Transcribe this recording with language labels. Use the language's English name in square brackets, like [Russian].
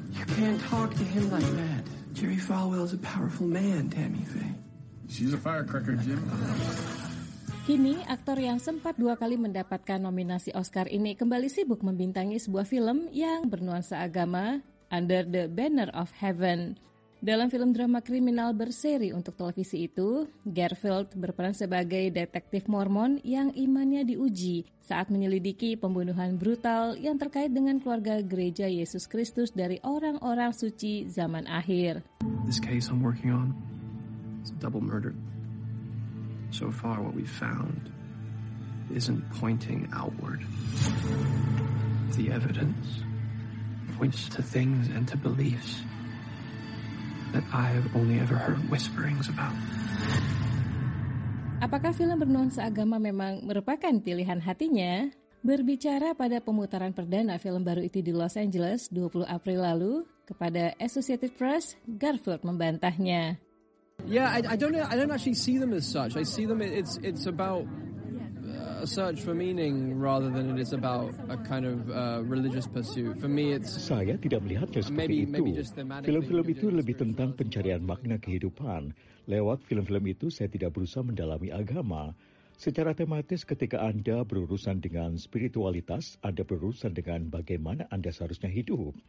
[English] You can't talk to him like that. Jerry Falwell is a powerful man, Tammy Faye. She's a firecracker, Jim. [Indonesian] Kini, aktor yang sempat dua kali mendapatkan nominasi Oscar ini kembali sibuk membintangi sebuah film yang bernuansa agama, Under the Banner of Heaven. Dalam film drama kriminal berseri untuk televisi itu, Garfield berperan sebagai detektif Mormon yang imannya diuji saat menyelidiki pembunuhan brutal yang terkait dengan keluarga gereja Yesus Kristus dari orang-orang suci zaman akhir. [English] This case I'm working on is a double murder. So far, what we've found isn't pointing outward. The evidence points to things and to beliefs that I have only ever heard whisperings about. [Indonesian] Apakah film bernuansa agama memang merupakan pilihan hatinya? Berbicara pada pemutaran perdana film baru itu di Los Angeles 20 April lalu, kepada Associated Press, Garfield membantahnya. [English] Yeah, I don't actually see them as such. I see them, it's about a search for meaning rather than it is about a kind of religious pursuit. For me, it's [Indonesian] saya tidak melihatnya seperti [English] maybe, [Indonesian] itu. Film-film itu lebih tentang pencarian makna kehidupan. Lewat film-film itu, saya tidak berusaha mendalami agama. Secara tematis, ketika Anda berurusan dengan spiritualitas, Anda berurusan dengan bagaimana Anda seharusnya hidup.